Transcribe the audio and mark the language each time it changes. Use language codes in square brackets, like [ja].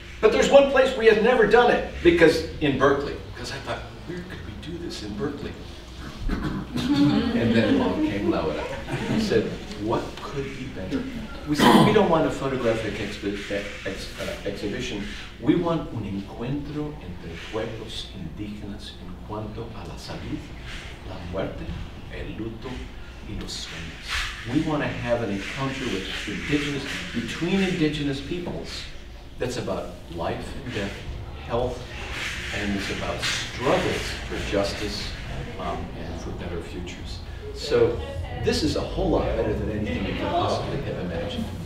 [en] But there's one place we have never done it, because in Berkeley. Because I thought, where could we do this in Berkeley? And then along came Laura. He said, what could be better? We said, we don't want a photographic exhibition. We want [es] un encuentro entre pueblos indígenas en cuanto a la salud, la muerte, el luto, y los sueños. [en] We want to have an encounter with indigenous, between indigenous peoples, that's about life and death, health, and it's about struggles for justice and for better futures. So this is a whole lot better than anything we could possibly have imagined.